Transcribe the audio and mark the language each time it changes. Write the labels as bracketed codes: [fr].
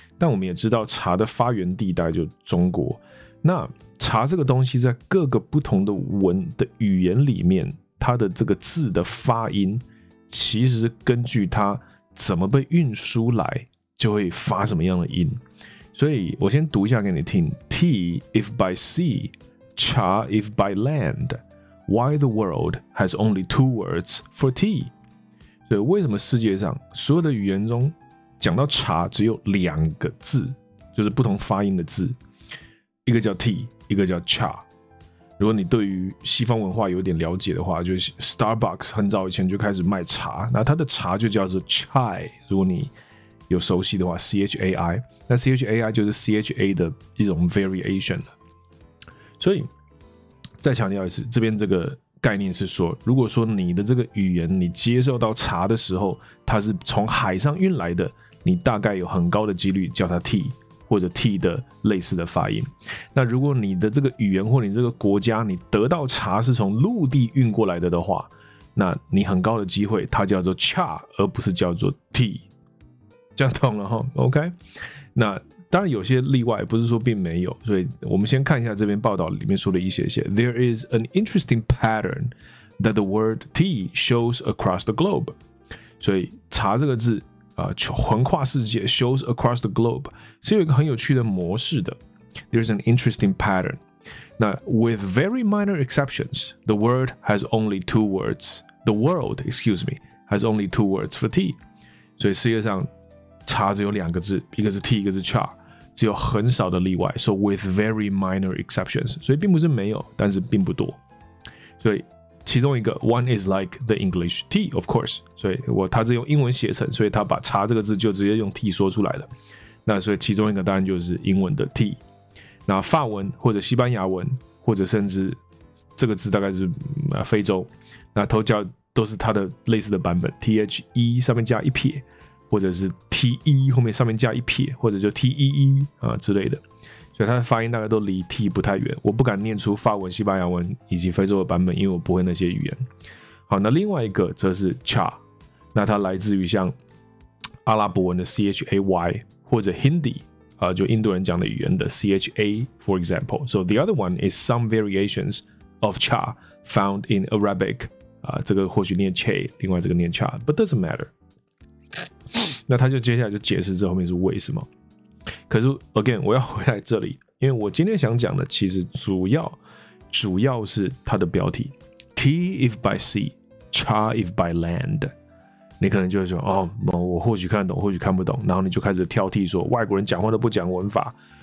[zh] 但我们也知道茶的发源地大概就是中国。那茶这个东西在各个不同的文的语言里面，它的这个字的发音其实是根据它怎么被运输来就会发什么样的音。所以我先读一下给你听， [en] Tea if by sea, Cha if by land, Why the world has only two words for tea。 [zh] 所以为什么世界上所有的语言中讲到茶只有两个字，就是不同发音的字，一个叫 tea， 一个叫 cha。如果你对于西方文化有点了解的话，就是 Starbucks 很早以前就开始卖茶，那它的茶就叫做 chai， 如果你有熟悉的话 ，chai， 那 chai 就是 cha 的一种 variation。所以再强调一次，这边这个概念是说，如果说你的这个语言你接受到茶的时候，它是从海上运来的，你大概有很高的几率叫它 tea。或者 T 的类似的发音。那如果你的这个语言或你这个国家你得到茶是从陆地运过来的话，那你很高的机会它叫做 Cha 而不是叫做 T。这样懂了齁？ OK， 那当然有些例外，不是说并没有，所以我们先看一下这篇报道里面说的一些些。 [en] There is an interesting pattern that the word tea shows across the globe。 [zh] 所以茶这个字横跨世界 [en] shows across the globe [zh] 是有一个很有趣的模式的。 [en] There's an interesting pattern。 [zh] 那 [en] with very minor exceptions the world has only two words the world, excuse me, has only two words for tea。 [zh] 所以世界上茶只有两个字，一个是 tea 一个是 cha， 只有很少的例外。 [en] So with very minor exceptions， [zh] 所以并不是没有，但是并不多。所以其中一个 [en] one is like the English tea, of course。 [zh] 所以我他是用英文写成，所以他把茶这个字就直接用 tea 说出来了。那所以其中一个当然就是英文的 tea。那法文或者西班牙文或者甚至这个字大概是非洲，那都叫都是它的类似的版本， THE 上面加一撇，或者是 TE 后面上面加一撇，或者就 TEE、之类的。所以它的发音大概都离 T 不太远，我不敢念出法文、西班牙文以及非洲的版本，因为我不会那些语言。好，那另外一个则是 Cha， 那它来自于像阿拉伯文的 Chay 或者 Hindi、就印度人讲的语言的 Cha， for example。 [en] So the other one is some variations of Cha found in Arabic、 [zh] 这个或许念 [en] Che， [zh] 另外这个念 [en] Cha， but doesn't matter。 [zh] 那他就接下来就解释这后面是为什么。可是 again 我要回来这里，因为我今天想讲的其实主要是它的标题 [en] Tea if by sea, Cha if by land。 [zh] 你可能就会说哦，我或许看得懂或许看不懂，然后你就开始挑剔说外国人讲话都不讲文法。